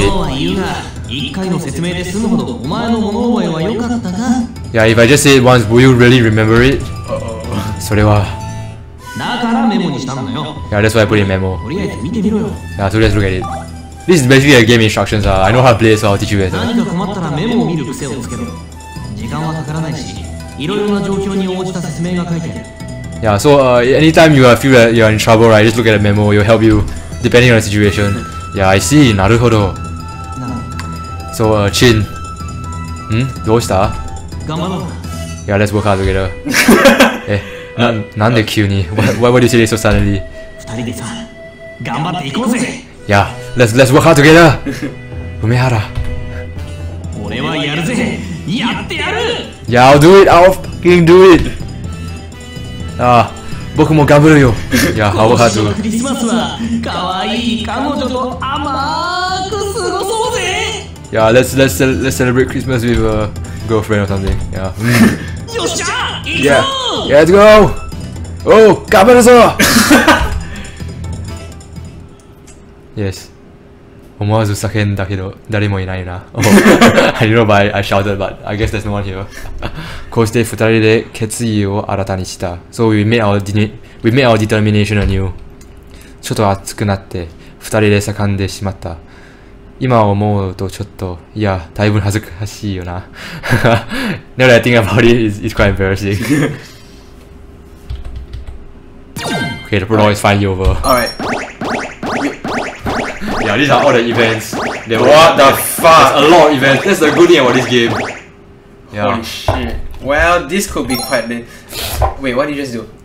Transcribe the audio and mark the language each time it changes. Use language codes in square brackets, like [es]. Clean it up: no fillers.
[ja] そうは言うな、一回の説明で済むほどお前の物覚えは良かったな。 [en] Yeah, if I just say it once, will you really remember it? [ja] それは、だからメモにしたのよ。 [en] Yeah, that's why I put it in memo。 [ja] とりあえず見てみろよ。 [en] Yeah, so let's look at it。 This is basically a game instructions. I know how to play, so I'll teach you better. [ja] 何か困ったらメモを見る癖をつけろ。時間はかからないし、いろいろな状況に応じた説明が書いてある。 [en] Yeah, so anytime you feel that you're in trouble, right, just look at the memo. It'll help you depending on the situation. Yeah, I see. [ja] なるほど。 [en] So, Chin. Hmm? [ja] どうした？頑張ろう。 [en] Yeah, let's work hard together. [ja] え、なんで急に？ [en] Why would you say this so suddenly? [ja] 二人でさ、頑張っていこうぜ。 [en] Yeah. Let's work hard together! 梅原、 [ja] 俺はやるぜ、やってやる。 [en] Yeah, I'll do it! I'll fucking do it! [ja] ああ、僕も頑張るよ。 [en] Yeah, I'll work hard [ja] too. 今年のクリスマスは、可愛い彼女と甘く過ごそうぜ。 [en] Yeah, let's celebrate Christmas with a girlfriend or something. Yeah. [ja] よっしゃ、行くぞ。 [en] Yeah, let's go! Oh, [ja] 頑張るぞ。 [en] Yes. [ja] 思わず叫んだけど誰もいないな。 [en] Oh. I don't know why I shouted, but I guess there's no one here. [ja] こうして二人で決意を新たにした。 [en] So we made our determination anew. [ja] ちょっと熱くなって二人で叫んでしまった。今思うとちょっと、いや、だいぶ恥ずかしいよな。 [en] Now that I think about it, it's quite embarrassing. Okay, the prologue is finally over. Alright. Yeah, these are all the events. There what the events. Fuck? There's a lot of events. That's the good thing about this game. Yeah. Holy shit. Well, this could be quite lame. Wait, what did you just do?